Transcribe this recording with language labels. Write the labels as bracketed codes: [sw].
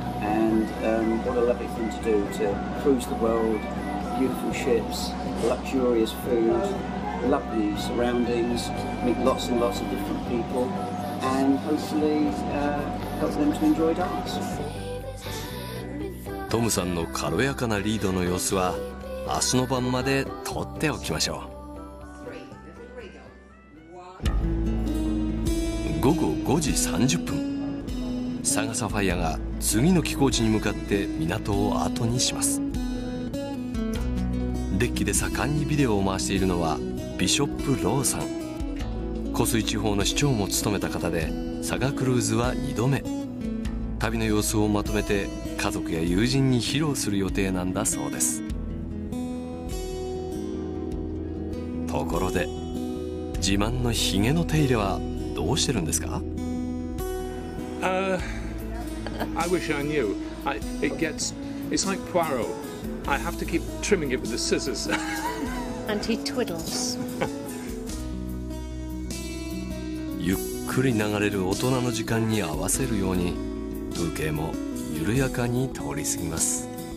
[en] And what a lovely thing to do, to cruise the world, beautiful ships, luxurious food, lovely surroundings, meet lots and lots of different people, and hopefully help them to enjoy dance. [ja] トムさんの軽やかなリードの様子は明日の晩まで撮っておきましょう。午後5時30分サガサファイアが次の寄港地に向かって港を後にします。デッキで盛んにビデオを回しているのはビショップ・ローさん。湖水地方の市長も務めた方で、サガクルーズは2度目。旅の様子をまとめて家族や友人に披露する予定なんだそうです。ところで自慢のひげの手入れはどうしてるんですか？ [en] I wish I knew. It gets, it's like Poirot. I have to keep trimming it with the scissors. And he twiddles. [ja] ゆっくり流れる大人の時間に合わせるように風景も緩やかに通り過ぎます。